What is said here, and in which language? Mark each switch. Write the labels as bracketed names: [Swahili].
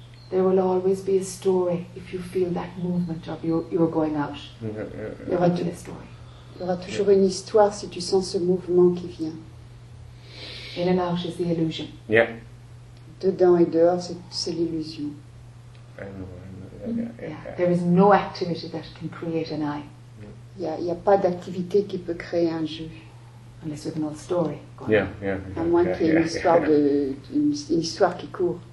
[English] There will always be a story if you feel that movement of you're going out. [French] Il y aura toujours une histoire. Il y aura toujours une histoire si tu sens ce mouvement qui vient. [English] In and out is the illusion. Yeah. [French] Dedans et dehors, c'est l'illusion. [English] Yeah. There is no activity that can create an I. [French] Il y a pas d'activité qui peut créer un jeu. [English] Unless with an old story. Yeah. [French] À moins qu'il y ait une histoire une histoire qui court.